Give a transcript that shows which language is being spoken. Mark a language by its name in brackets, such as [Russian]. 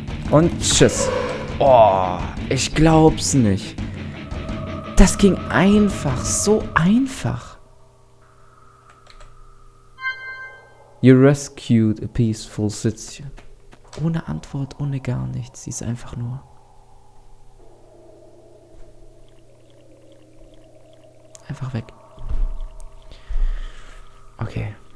[German] Und tschüss. Oh, ich glaub's nicht. Das ging einfach, so einfach. [English] You rescued a peaceful city. [German] Ohne Antwort, ohne gar nichts. Sie ist einfach nur. Einfach weg. Okay.